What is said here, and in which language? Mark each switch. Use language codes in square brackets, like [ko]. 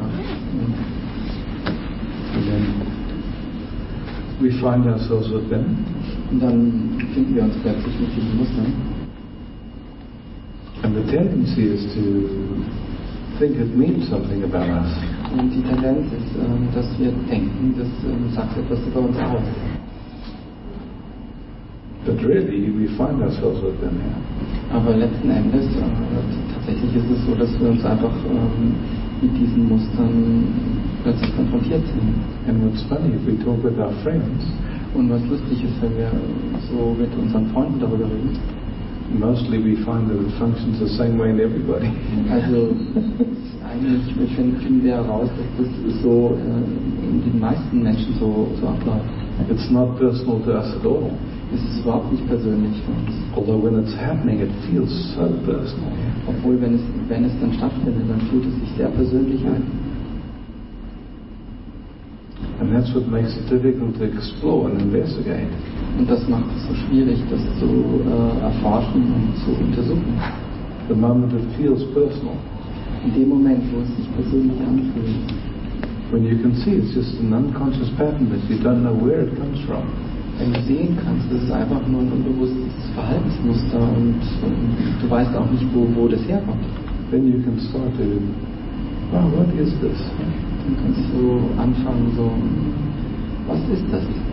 [en] And then we find ourselves with them. [de] Und dann finden wir uns plötzlich mit diesen Mustern. [en] And the tendency is to think it means something about us. [de] Und die Tendenz ist, dass wir denken, das sagt etwas über uns aus. [en] But really, we find ourselves with them here. [de] Aber letzten Endes, tatsächlich ist es so, dass wir uns einfach mit diesen Mustern plötzlich konfrontiert sind. [en] And what's funny, if we talk with our friends, [de] und was lustig ist, wenn wir so mit unseren Freunden darüber reden, [en] mostly we find that it functions the same way in everybody. [de] Also eigentlich finden wir heraus, dass das so in den meisten Menschen so abläuft. [en] It's not personal to us at all. [de] Es ist überhaupt nicht persönlich für uns. [en] Although when it's happening, it feels so personal. [de] Obwohl wenn es dann stattfindet, dann fühlt es sich sehr persönlich an. [en] And that's what makes it difficult to explore and investigate. [de] Und das macht es so schwierig, das zu erforschen und zu untersuchen. [en] The moment it feels personal. [de] In dem Moment, wo es sich persönlich anfühlt. [en] When you can see it's just an unconscious pattern that you don't know where it comes from. [de] Wenn du sehen kannst, es ist einfach nur ein unbewusstes Verhaltensmuster und du weißt auch nicht, wo das herkommt. [en] Then you can start to, wow, what is this? [de] Dann kannst du anfangen, so, was ist das?